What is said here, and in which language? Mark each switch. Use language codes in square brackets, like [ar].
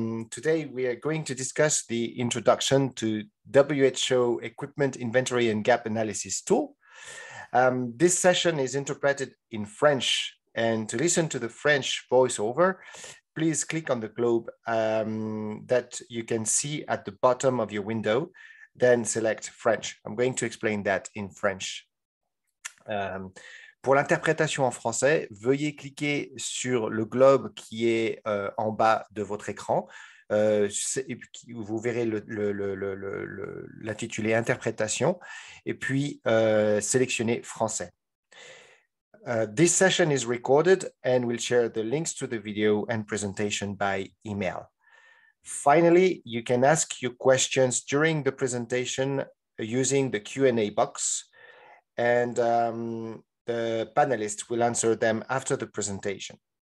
[en] Today, we are going to discuss the introduction to WHO Equipment Inventory and Gap Analysis Tool. This session is interpreted in French, and to listen to the French voiceover, please click on the globe that you can see at the bottom of your window, then select French. I'm going to explain that in French. [fr] Pour l'interprétation en français, veuillez cliquer sur le globe qui est en bas de votre écran. Vous verrez l'intitulé interprétation et puis sélectionnez français. [en] This session is recorded and we'll share the links to the video and presentation by email. Finally, you can ask your questions during the presentation using the Q&A box and the panelists will answer them after the presentation.